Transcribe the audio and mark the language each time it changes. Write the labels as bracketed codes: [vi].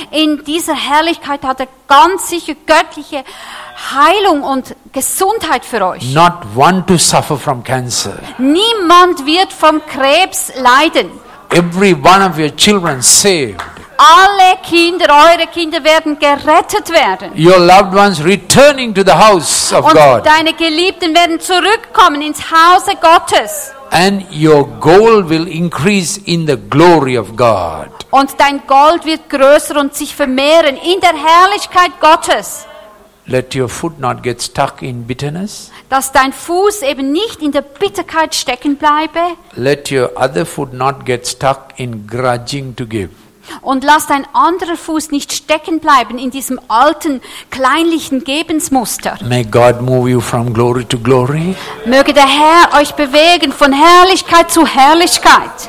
[de] In dieser Herrlichkeit hat er ganz sicher göttliche Heilung und Gesundheit für euch. [en] Not one to suffer from cancer. [de] Niemand wird vom Krebs leiden. [en] Every one of your children saved. [de] Alle Kinder, eure Kinder werden gerettet werden. [en] Your loved ones returning to the house of [de] und [en] God. [de] Und deine Geliebten werden zurückkommen ins Haus Gottes. [en] And your gold will increase in the glory of God. [de] Und dein Gold wird größer und sich vermehren in der Herrlichkeit Gottes. [en] Let your foot not get stuck in bitterness. [de] Dass dein Fuß eben nicht in der Bitterkeit stecken bleibe. [en] Let your other foot not get stuck in grudging to give. [de] Und lass dein anderer Fuß nicht stecken bleiben in diesem alten, kleinlichen Gebensmuster. [en] May God move you from glory to glory. [de] Möge der Herr euch bewegen von Herrlichkeit zu Herrlichkeit.